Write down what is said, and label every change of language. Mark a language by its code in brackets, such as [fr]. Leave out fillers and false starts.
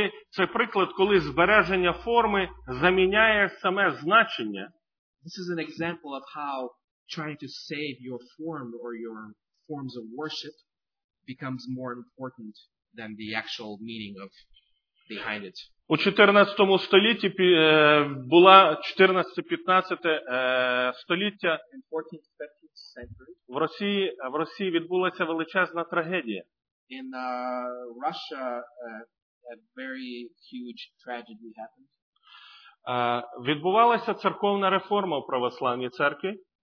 [uk] Це приклад, коли збереження форми заміняє саме значення. [en] This is an example of how trying to save your form or your forms of worship becomes more important than the actual meaning of behind it. [uk] У 14 столітті була 14-15 століття. [en] In 14th, 15th century. [uk] В Росії відбулася величезна трагедія. [en] In Russia, a very huge tragedy happened. [uk] Відбувалася церковна реформа в православній церкві.